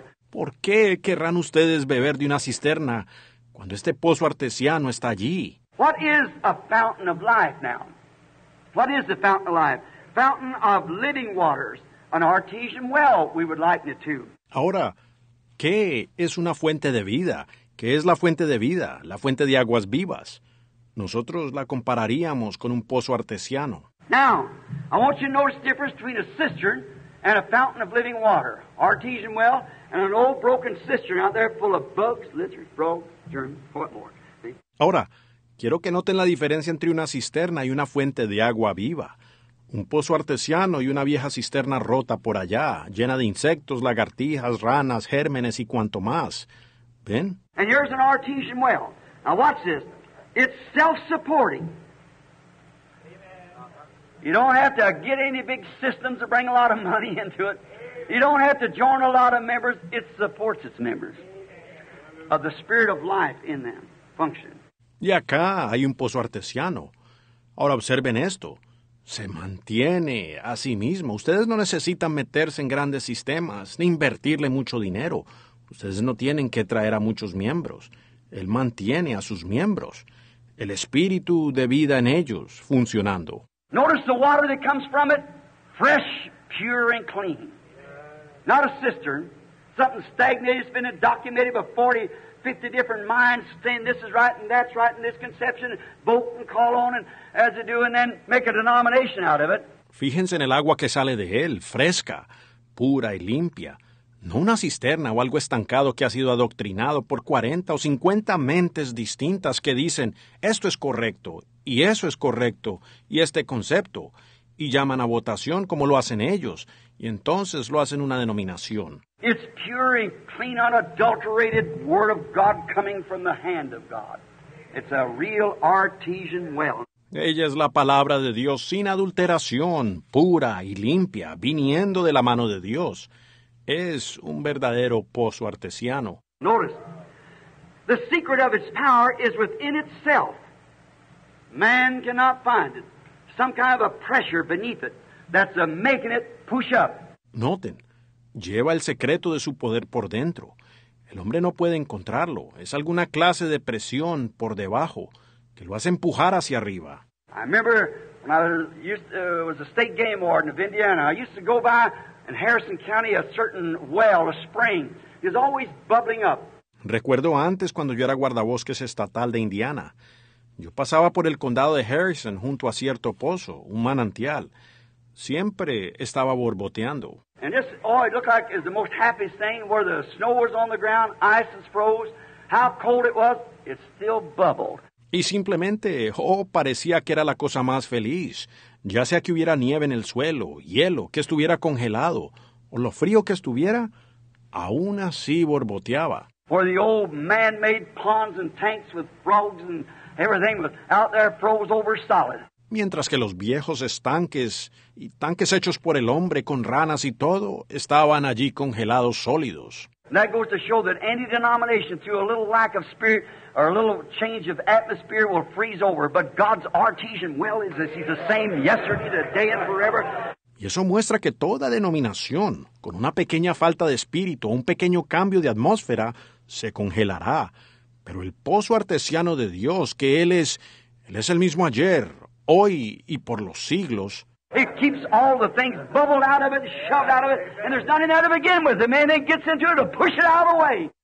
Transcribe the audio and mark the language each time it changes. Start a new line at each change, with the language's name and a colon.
Spanish: ¿Por qué querrán ustedes beber de una cisterna cuando este pozo artesiano está allí?
English: What is a fountain of life now? What is the fountain of life? Fountain of living waters, an artesian well, we would liken it to.
Spanish: Ahora, qué es una fuente de vida. ¿Qué es la fuente de vida? La fuente de aguas vivas. Nosotros la compararíamos con un pozo artesiano.
English: Now, I want you to notice the difference between a cistern and a fountain of living water. Artesian well and an old broken cistern out there full of bugs, lizards, frogs, germs, whatever.
Spanish: Ahora, quiero que noten la diferencia entre una cisterna y una fuente de agua viva. Un pozo artesiano y una vieja cisterna rota por allá, llena de insectos, lagartijas, ranas, gérmenes y cuanto más. ¿Ven?
English: And here's an artesian well. Now watch this. It's self-supporting. You don't have to get any big systems to bring a lot of money into it. You don't have to join a lot of members. It supports its members. Of the spirit of life in them.
Spanish: Y acá hay un pozo artesiano. Ahora observen esto. Se mantiene a sí mismo. Ustedes no necesitan meterse en grandes sistemas ni invertirle mucho dinero. Ustedes no tienen que traer a muchos miembros. Él mantiene a sus miembros. El espíritu de vida en ellos funcionando.
English: Notice the water that comes from it. Fresh, pure and clean. Not a cistern. Something stagnated. It's been documented by 50 different minds saying this is right and that's right and this conception, vote and call on and as they do and then make a denomination out of it.
Spanish: Fíjense en el agua que sale de él, fresca, pura y limpia. No una cisterna o algo estancado que ha sido adoctrinado por 40 o 50 mentes distintas que dicen esto es correcto y eso es correcto y este concepto y llaman a votación como lo hacen ellos y entonces lo hacen una denominación.
English: It's pure and clean, unadulterated word of God coming from the hand of God. It's a real artesian well.
Spanish: Ella es la palabra de Dios sin adulteración, pura y limpia, viniendo de la mano de Dios. Es un verdadero pozo artesiano.
English: Notice, the secret of its power is within itself. Man cannot find it. Some kind of a pressure beneath it that's a making it push up.
Spanish: Noten. Lleva el secreto de su poder por dentro. El hombre no puede encontrarlo. Es alguna clase de presión por debajo que lo hace empujar hacia arriba.
English: I remember when I was a state game warden of Indiana, I used to go by in Harrison County a certain well, a spring. It was always bubbling up.
Spanish: Recuerdo antes cuando yo era guardabosques estatal de Indiana. Yo pasaba por el condado de Harrison junto a cierto pozo, un manantial. Siempre estaba borboteando.
English: And this, oh, it looked like it was the most happiest thing where the snow was on the ground, ice was froze, how cold it was, it still bubbled.
Spanish: Y simplemente, oh, parecía que era la cosa más feliz. Ya sea que hubiera nieve en el suelo, hielo, que estuviera congelado, o lo frío que estuviera, aún así borboteaba.
English: Where the old man-made ponds and tanks with frogs and everything was out there froze over solid.
Spanish: Mientras que los viejos estanques y tanques hechos por el hombre con ranas y todo estaban allí congelados sólidos.
English: That goes to show that any denomination through a little lack of spirit or a little change of atmosphere will freeze over. But God's artesian well is this. He's the same yesterday, today, and forever.
Spanish: Y eso muestra que toda denominación, con una pequeña falta de espíritu o un pequeño cambio de atmósfera, se congelará. Pero el pozo artesiano de Dios, que Él es el mismo ayer, hoy y por los siglos.
English: It keeps all the things bubbled out of it, shoved out of it, and there's nothing out of it again with it. Man, it gets into it to push it out of the way.